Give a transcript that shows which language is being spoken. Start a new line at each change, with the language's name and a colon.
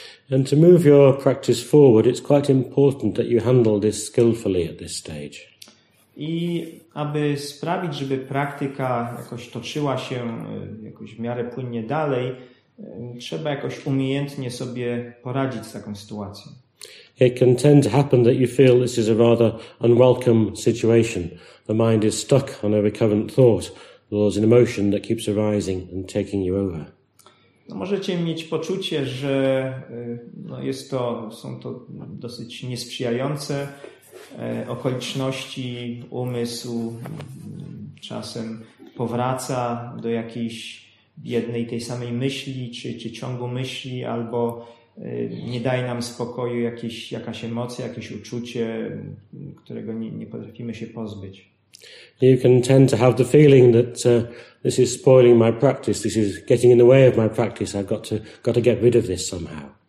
English: And to move your practice forward, it's quite important that you handle this skillfully at this stage.
Polish: I aby sprawić, żeby praktyka jakoś toczyła się jakoś w miarę płynnie dalej, trzeba jakoś umiejętnie sobie poradzić z taką sytuacją.
English: It can tend to happen that you feel this is a rather unwelcome situation. The mind is stuck on a recurrent thought, there's an emotion that keeps arising and taking you over.
Polish: No, możecie mieć poczucie, że no, są to dosyć niesprzyjające okoliczności, umysł czasem powraca do jakiejś jednej tej samej myśli czy ciągu myśli, albo nie daje nam spokoju jakaś emocja, jakieś uczucie, którego nie potrafimy się pozbyć.
English: You can tend to have the feeling that this is spoiling my practice, this is getting in the way of my practice, I've got to get rid of this somehow.